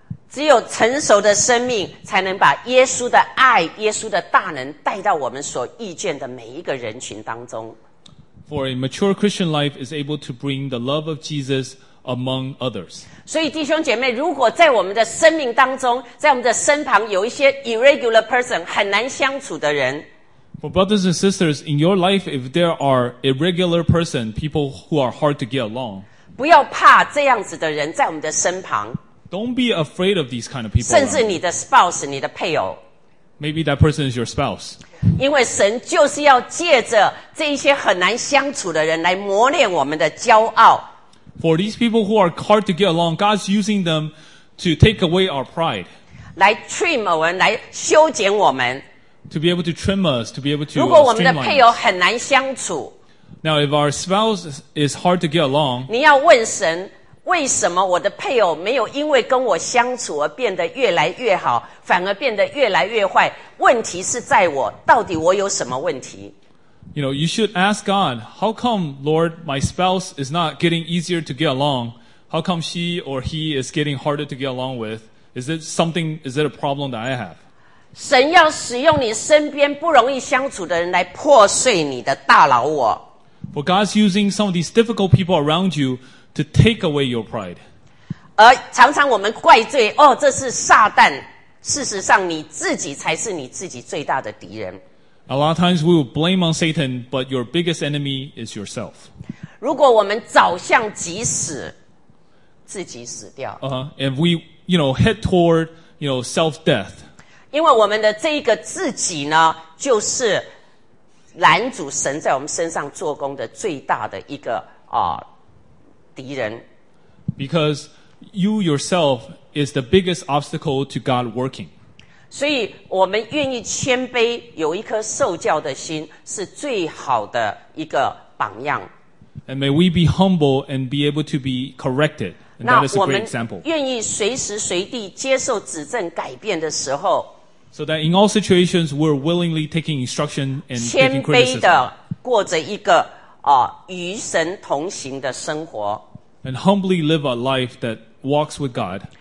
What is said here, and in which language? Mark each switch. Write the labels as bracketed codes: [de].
[zh] 只有成熟的生命才能把耶稣的爱、耶稣的大能带到我们所遇见的每一个人群当中。 [en] For a mature Christian life is able to bring the love of Jesus among others. [zh] 所以弟兄姐妹，如果在我们的生命当中，在我们的身旁有一些 [en] irregular person, [zh] 很难相处的人。 [en] For brothers and sisters, in your life, if there are irregular person, people who are hard to get along, [zh] 不要怕这样子的人在我们的身旁。 [en] Don't be afraid of these kind of people. [zh] 甚至你的 spouse, 你的配偶。 [en] Maybe that person is your spouse. [zh] 因为神就是要借着这一些很难相处的人来磨练我们的骄傲。 [en] For these people who are hard to get along, God's using them to take away our pride. [zh] 来 trim 我们，来修剪我们。 [en] To be able to trim us, to be able to [zh] 如果我们的配偶很难相处。 [en] Now, if our spouse is hard to get along, [zh] 你要问神，为什么我的配偶没有因为跟我相处而变得越来越好，反而变得越来越坏？问题是在我，到底我有什么问题？ [en] You know, you should ask God, how come, Lord, my spouse is not getting easier to get along? How come she or he is getting harder to get along with? Is it a problem that I have? [zh] 神要使用你身边不容易相处的人来破碎你的大老我。 [en] For God's using some of these difficult people around you to take away your pride. [zh] 而常常我们怪罪，哦，这是撒旦。事实上，你自己才是你自己最大的敌人。 [en] A lot of times we will blame on Satan, but your biggest enemy is yourself. [zh] 如果我们早向即死，自己死掉。 [en] If we, you know, head toward, you know, self-death. [zh] 因为我们的这一个自己呢，就是拦阻神在我们身上做工的最大的一个敌人。 [en] Because you yourself is the biggest obstacle to God working. [zh] 所以我们愿意谦卑，有一颗受教的心，是最好的一个榜样。 [en] And may we be humble and be able to be corrected. And that is a great example. [zh] 愿意随时随地接受指正改变的时候 [en] So that in all situations, we're willingly taking instruction and taking criticism. [zh] 谦卑的过着一个与神同行的生活 [en] And humbly live a life that walks with God.